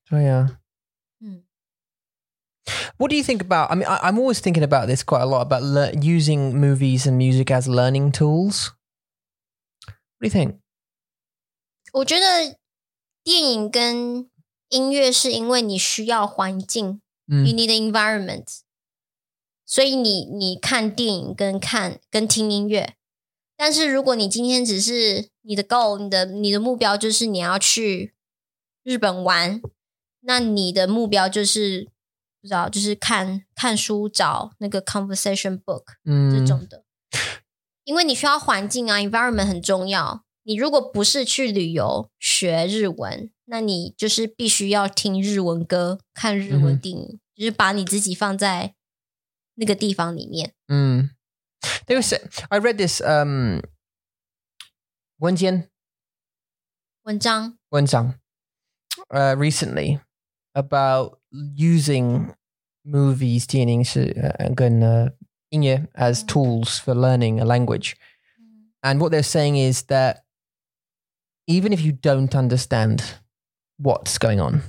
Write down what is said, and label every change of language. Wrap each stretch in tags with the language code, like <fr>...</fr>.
<zh>对啊</zh> <en>What do you think about, I mean, I'm always thinking about this quite a lot, about using movies and music as learning tools. What do you think?</en> <zh>我觉得电影跟音乐是因为你需要环境、 mm.</zh> <en>You need an environment.</en> <zh>所以你看电影跟听音乐。但是如果你今天只是你的 goal, 你的目标就是你要去日本玩,那你的目标就是不知道就是看书找那个</zh> <en>conversation book、</en> <zh>嗯、这种的因为你需要环境啊 environment 很重要你如果不是去旅游学日文那你就是必须要听日文歌看日文电影、嗯、就是把你自己放在那个地方里面</zh> <en>嗯 They were saying, I read this 文章 recently about using movies</en> <zh>电影是跟音乐</zh> <en>as tools for learning a language and what they're saying is that even if you don't understand what's going on、</en>